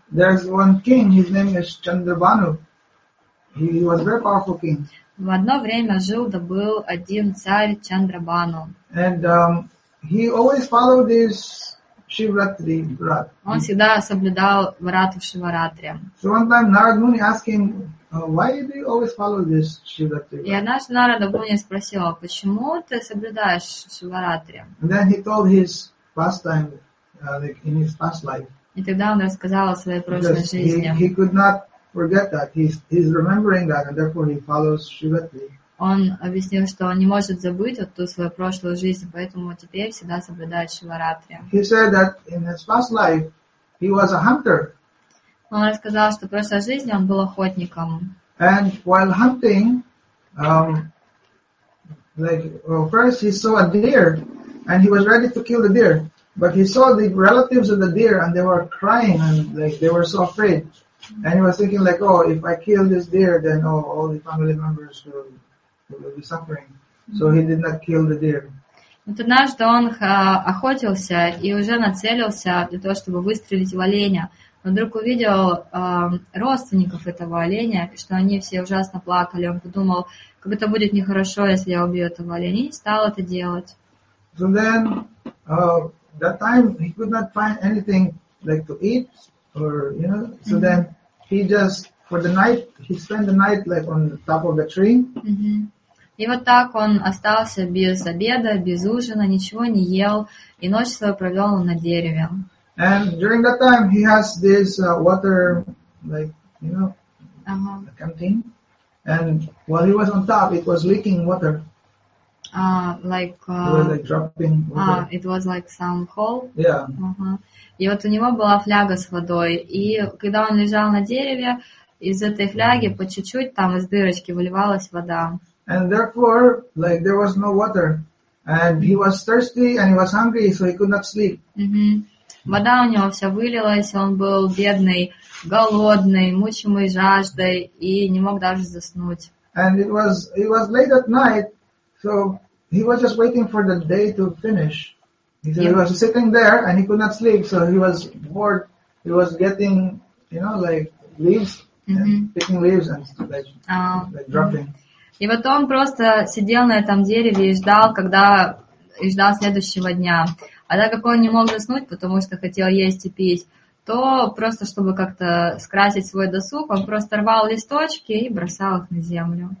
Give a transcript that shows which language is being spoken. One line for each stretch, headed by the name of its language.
English: There's one king, his name is Chandrabhanu. He was a very powerful king.
Russian: В одно время жил, да был один царь Чандрабану.
English: And he always followed this Shivratri Vrat.
Russian: Он всегда соблюдал врату в Шиваратре.
English: So one time Narad Muni asked him, why do you always follow this Shivratri?
Russian: И однажды Нарада Муни спросил, почему ты соблюдаешь Шиваратри?
English: And then he told his pastime, like in his past life.
Russian: И тогда он рассказал о своей прошлой жизни.
English: He could not forget that. He's remembering that, and therefore he follows Shivratri.
Russian: Он объяснил, что он не может забыть вот ту свою прошлую жизнь, поэтому теперь всегда соблюдает Шиваратри.
English: He said that in his past life he was a hunter.
Russian: Он рассказал, что в прошлой жизни он был охотником.
English: And while hunting, first he saw a deer, and he was ready to kill the deer, but he saw the relatives of the deer, and they were crying, and like they were so afraid, and he was thinking like, oh, if I kill this deer, then all the family members will be suffering. So he did not kill the deer.
Russian: Вот однажды он охотился и уже нацелился для того, чтобы выстрелить в оленя. Но вдруг увидел родственников этого оленя, что они все ужасно плакали. Он подумал, как это будет нехорошо, если я убью этого оленя, и стал это делать.
English: So then, that time he could not find anything like to eat or, you know, so mm-hmm. then he just, for the night, he spent the night like on the top of the tree. Mm-hmm.
Russian: И вот так он остался без обеда, без ужина, ничего не ел, и ночь свою провел на дереве.
English: And during that time he has this water, like, you know, uh-huh. a canteen. And while he was on top, it was leaking water. It was dropping water. It was like some hole? Yeah. Uh-huh.
Russian: И вот у него была фляга с водой, и когда он лежал на дереве, из этой фляги по чуть-чуть, там из дырочки, выливалась вода.
English: And therefore, like, there was no water. And he was thirsty and he was hungry, so he could not sleep.
Russian: Вода у него вся вылилась, он был бедный, голодный, мучимый жаждой и не мог даже заснуть.
English: And it was late at night, so he was just waiting for the day to finish. He was sitting there and he could not sleep, so he was bored. He was getting, you know, like leaves, picking leaves and like dropping.
Russian: И вот он просто сидел на этом дереве и ждал, когда и ждал следующего дня. А так как он не мог заснуть, потому что хотел есть и пить, то просто, чтобы как-то скрасить свой досуг, он просто рвал листочки и бросал их на землю.